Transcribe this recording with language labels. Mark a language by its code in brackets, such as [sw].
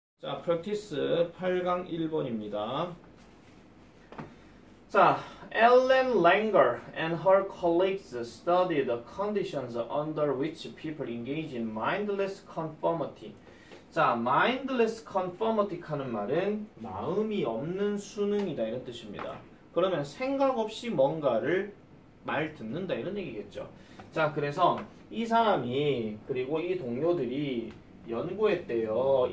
[ko] 자, 프랙티스 8강 1번입니다. [en] 자, Ellen Langer and her colleagues studied the conditions under which people engage in mindless conformity. [ko] 자, mindless conformity 하는 말은 마음이 없는 순응이다 이런 뜻입니다. 그러면 생각 없이 뭔가를 말 듣는다 이런 얘기겠죠. 자, 그래서 이 사람이 그리고 이 동료들이 연구했대요.